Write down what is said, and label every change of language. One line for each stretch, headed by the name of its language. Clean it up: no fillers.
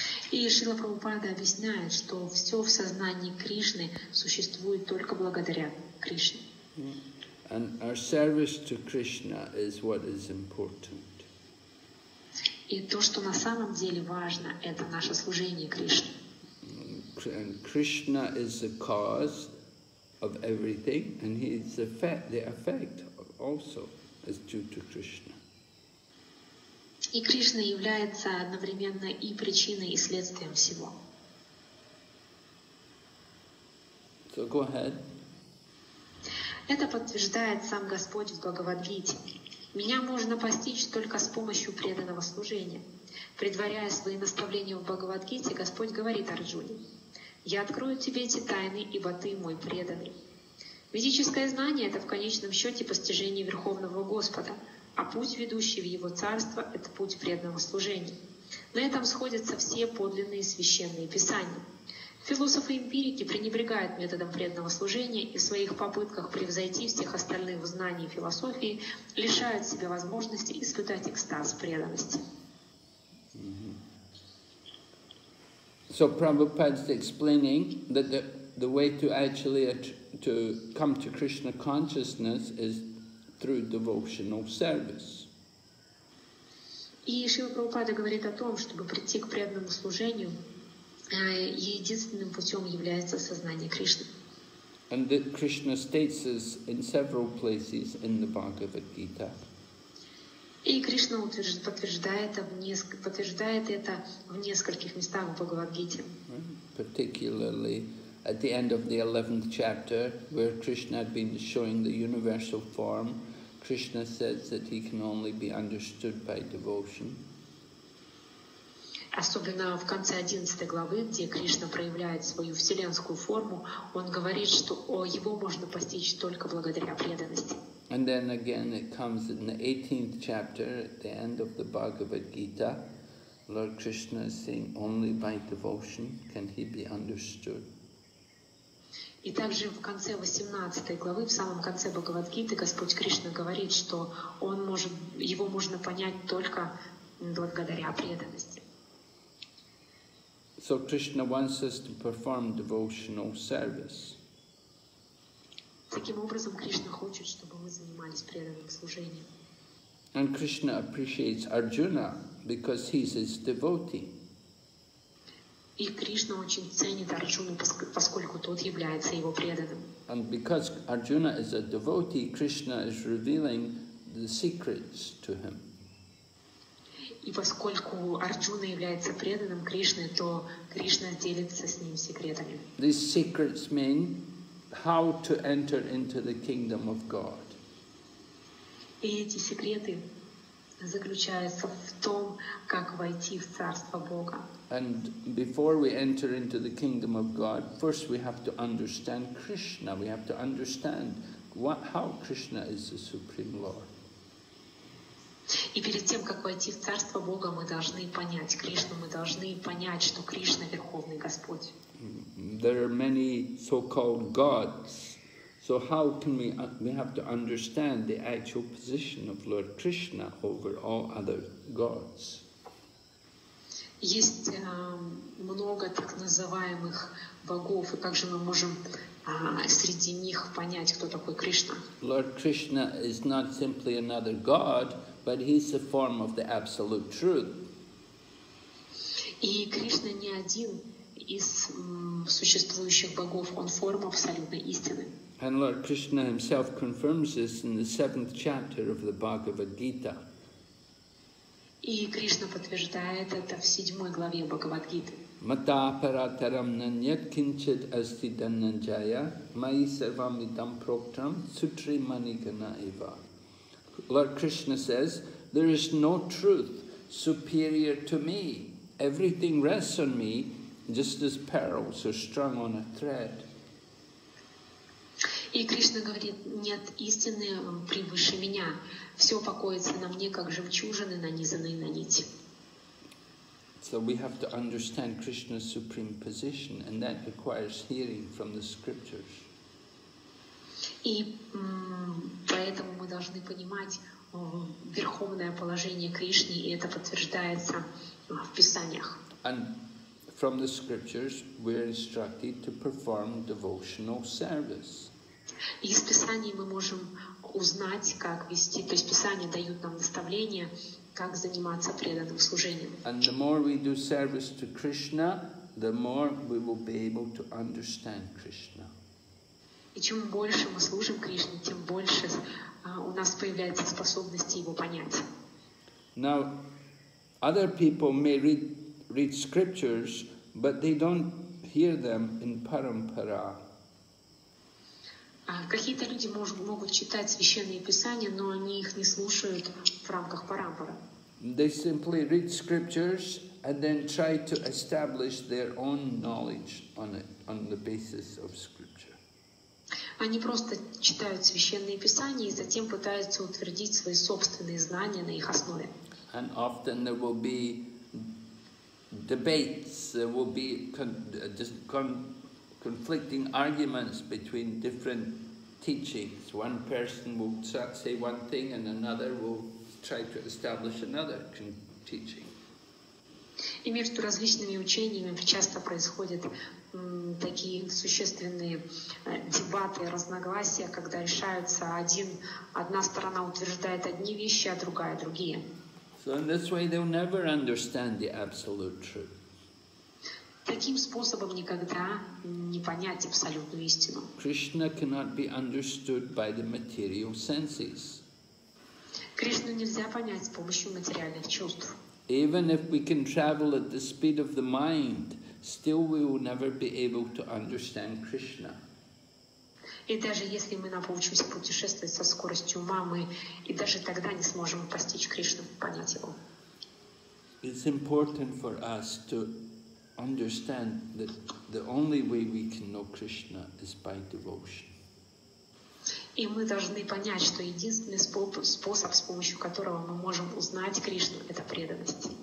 Russian: И Шрила Прабхупада объясняет, что все в сознании Кришны существует только благодаря Кришне.
English: And our service to Krishna is what is important.
Russian: И то, что на самом деле важно, это наше служение Кришне.
English: And Krishna is the cause of everything, and his effect, the effect also is due to Krishna.
Russian: И Кришна является одновременно и причиной, и следствием всего.
English: So go ahead.
Russian: Это подтверждает сам Господь в Бхагавад-гите. Меня можно постичь только с помощью преданного служения. Предваряя свои наставления в Бхагавад-гите, Господь говорит Арджуне: «Я открою тебе эти тайны, ибо ты мой преданный». Ведическое знание — это в конечном счете постижение Верховного Господа, а путь, ведущий в Его Царство, — это путь преданного служения. На этом сходятся все подлинные священные писания. Философы-эмпирики пренебрегают методом преданного служения и в своих попытках превзойти всех остальных в знании и философии лишают себя возможности испытать экстаз преданности.
English: So Prabhupada is explaining that the way to actually to come to Krishna consciousness is through devotional service.
Russian: И Шрила Прабхупада говорит о том, чтобы прийти к преданному служению, единственным путем является сознание Кришны.
English: And that Krishna states this in several places in the Bhagavad Gita.
Russian: И Кришна подтверждает это в нескольких местах в Бхагавад-гите.
English: Particularly at the end of the 11th chapter, where Krishna had been showing the universal form, Krishna says that he can only be understood by devotion.
Russian: Особенно в конце 11 главы, где Кришна проявляет свою вселенскую форму, он говорит, что его можно постичь только благодаря преданности.
English: And then again it comes in the 18th chapter, at the end of the Bhagavad Gita, Lord Krishna is saying, only by devotion can he be understood.
Russian: И также в конце 18 главы, в самом конце Бхагавад Гиты, Господь Кришна говорит, что он может, его можно понять только благодаря преданности.
English: So Krishna wants us to perform devotional service.
Russian: Таким образом, Кришна хочет, чтобы мы занимались преданным служением.
English: And Krishna appreciates Arjuna because he's his devotee.
Russian: И Кришна очень ценит Арджуну, поскольку тот является его преданным.
English: And because Arjuna is a devotee, Krishna is revealing the secrets to him.
Russian: И поскольку Арджуна является преданным Кришны, то Кришна делится с ним секретами.
English: These secrets mean how to enter into the kingdom of God.
Russian: И эти секреты заключается в том, как войти в Царство Бога.
English: And before we enter into the kingdom of God, first we have to understand Krishna. We have to understand how Krishna is the Supreme Lord.
Russian: И перед тем, как войти в Царство Бога, мы должны понять Кришну, мы должны понять, что Кришна — Верховный Господь.
English: There are many so-called gods. So how can we have to understand the actual position of Lord Krishna over all other gods?
Russian: Есть много так называемых богов, и как же мы можем среди них понять, кто такой Кришна?
English: Lord Krishna is not simply another god, but he's a form of the Absolute Truth.
Russian: И Кришна не один из существующих богов, он форма абсолютной истины.
English: And Lord Krishna himself confirms this in the 7th chapter of the Bhagavad Gita.
Russian: И Кришна подтверждает это в 7 главе Бхагавад Гиты.
Sanskrit: Мата апаратарам наньят кинчит асти дананджая, майи сарвам идам проктрам сутри манигана ива.
English: Lord Krishna says, there is no truth superior to me. Everything rests on me, just as pearls are strung on a thread.
Russian: И Кришна говорит, нет истины превыше меня. Все покоится на мне, как жемчужины, нанизанные на нити.
English: So we have to understand Krishna's supreme position, and that requires hearing from the scriptures.
Russian: И поэтому мы должны понимать верховное положение Кришны, и это подтверждается в Писаниях.
English: And from the scriptures, we are instructed to perform devotional service.
Russian: Из Писаний мы можем узнать, как вести, то есть Писания дают нам наставления, как заниматься преданным служением.
English: And the more we do service to Krishna, the more we will be able to understand Krishna.
Russian: И чем больше мы служим Кришне, тем больше у нас появляется способность его понять.
English: Now, other people may read scriptures, but they don't hear them in parampara.
Russian: Какие-то люди могут читать священные писания, но они их не слушают в рамках парампара.
English: They simply read scriptures and then try to establish their own knowledge on it, on the basis of scripture.
Russian: Они просто читают священные писания и затем пытаются утвердить свои собственные знания на их основе.
English: And often there will be debates, there will be conflicting arguments between different teachings. One person will say one thing and another will try to establish another teaching.
Russian: И между различными учениями часто происходят такие существенные дебаты, разногласия, когда решаются одна сторона утверждает одни вещи, а другая другие.
English: So in this way they'll never understand the absolute truth.
Russian: Таким способом никогда не понять абсолютную истину.
English: Krishna cannot be understood by the material senses.
Russian: Кришну нельзя понять с помощью материальных чувств.
English: Even if we can travel at the speed of the mind, still we will never be able to understand Krishna.
Russian: И даже если мы научимся путешествовать со скоростью ума, мы и даже тогда не сможем постичь Кришну, понять его.
English: It's important for us to understand that the only way we can know Krishna is by devotion.
Russian: И мы должны понять, что единственный способ, с помощью которого мы можем узнать Кришну, это преданность.